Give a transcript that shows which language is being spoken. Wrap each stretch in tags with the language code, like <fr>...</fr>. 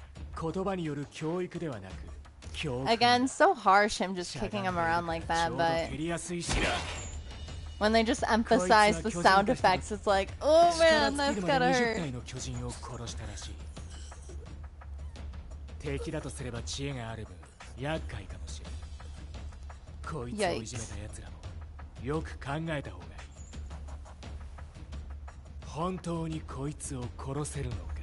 <ja>これは持論だが、しつけに一番効くのは痛みだと。Levi。今お前に必要なのは言葉による教育ではなく、教訓。</ja> <en>Again, so harsh him just kicking him around like that, but when they just emphasize the sound effects, it's like, oh man, that's gotta hurt.</en> <ja>敵だとすれば知恵があるぶん厄介かもしれん。こいつをいじめた奴らもよく考えた方がいい。本当にこいつを殺せるのか。</ja>